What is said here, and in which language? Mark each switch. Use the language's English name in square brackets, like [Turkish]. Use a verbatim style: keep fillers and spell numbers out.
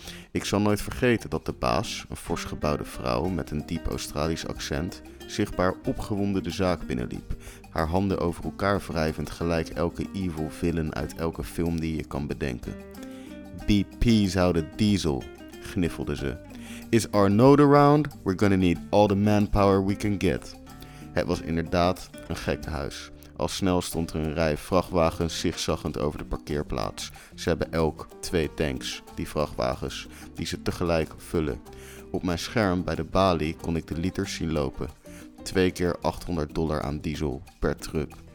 [Dutch] Ik zal nooit vergeten dat de baas, een fors gebouwde vrouw met een diep Australisch accent, zichtbaar opgewonden de zaak binnenliep, haar handen over elkaar wrijvend gelijk elke evil villain uit elke film die je kan bedenken. [English] B P's out of diesel, [Dutch] gniffelde ze. [English] Is Arnaud around? We're gonna need all the manpower we can get. [Dutch] Het was inderdaad een gekkenhuis. Al snel stond er een rij vrachtwagens zigzaggend over de parkeerplaats. Ze hebben elk twee tanks, die vrachtwagens, die ze tegelijk vullen. Op mijn scherm bij de balie kon ik de liters zien lopen. Twee keer achthonderd dollar aan diesel per truck.